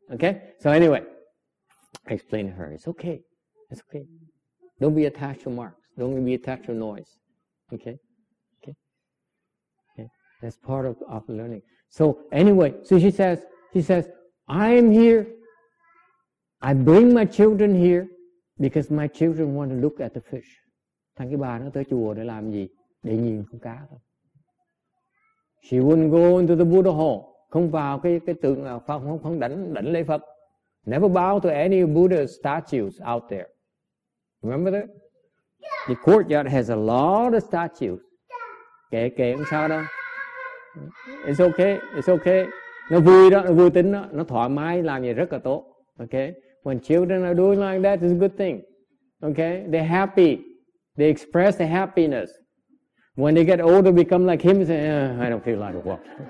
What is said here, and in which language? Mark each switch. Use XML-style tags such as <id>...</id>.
<en>Okay, so anyway, explain to her, it's okay, don't be attached to marks, don't be attached to noise, okay, that's part of learning. So anyway, so she says, I am here. I bring my children here because my children want to look at the fish.</en> <vi>Thằng cái bà nó tới chùa để làm gì? Để nhìn con cá thôi.</vi> <en>She wouldn't go into the Buddha hall.</en> <vi>Không vào cái tượng không đảnh lễ Phật.</vi> <en>Never bow to any Buddha statues out there. Remember that? The courtyard has a lot of statues.</en> <vi>Kệ không sao đâu.</vi> <en>It's okay.</en> <vi>Nó vui đó, nó vui tính đó, nó thoải mái làm gì rất là tốt.</vi> <en>Okay. When children are doing like that, it's a good thing. Okay. They're happy. They express the happiness. When they get older, become like him, say, I don't feel like a walk.</en>